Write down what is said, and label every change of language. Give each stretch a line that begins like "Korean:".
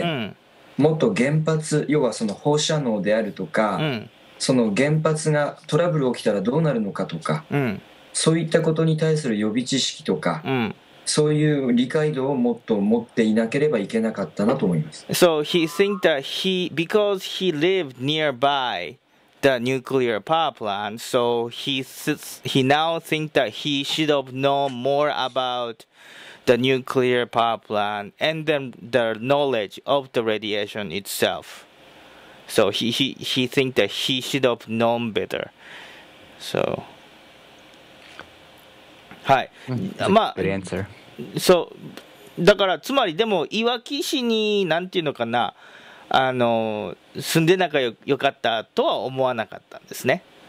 Japanese: うん、もっと原発要はその放射能であるとか、うん、その原発がトラブル起きたらどうなるのかとか、うん、そういったことに対する予備知識とか、うん、そういう理解度をもっと持っていなければいけなかったなと思います。
English: So he think that he because he lived nearby the nuclear power plant, so he now think that he should have known more about the nuclear power plant and then the knowledge of the radiation itself. So he think that he should have known better. So.
Japanese: はい、まあ、そうだからつまりでもいわき市になんていうのかな住んで仲よかったとは思わなかったんですね。